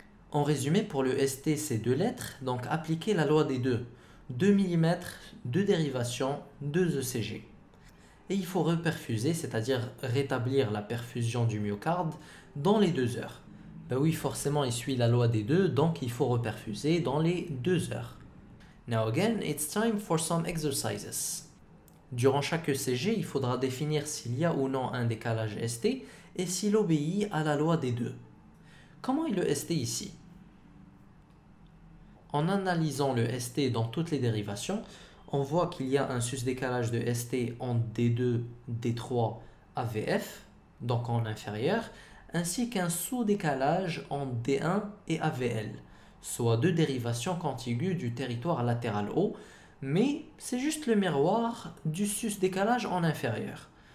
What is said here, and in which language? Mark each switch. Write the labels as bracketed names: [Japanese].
[French] En résumé, pour le ST, c'est 2 lettres, donc appliquez la loi des deux. 2 mm, 2 dérivations, 2 ECG. Et il faut reperfuser, c'est-à-dire rétablir la perfusion du myocarde, dans les 2 heures. Ben oui, forcément, il suit la loi des deux, donc il faut reperfuser dans les 2 heures. [English] Now again, it's time for some exercises. [French] Durant chaque ECG, il faudra définir s'il y a ou non un décalage ST et s'il obéit à la loi des deux. Comment est le ST ici? En analysant le ST dans toutes les dérivations, on voit qu'il y a un sus-décalage de ST en D2, D3, AVF, donc en inférieur, ainsi qu'un sous-décalage en D1 et AVL, soit deux dérivations contiguës du territoire latéral haut, mais c'est juste le miroir du sus-décalage en inférieur.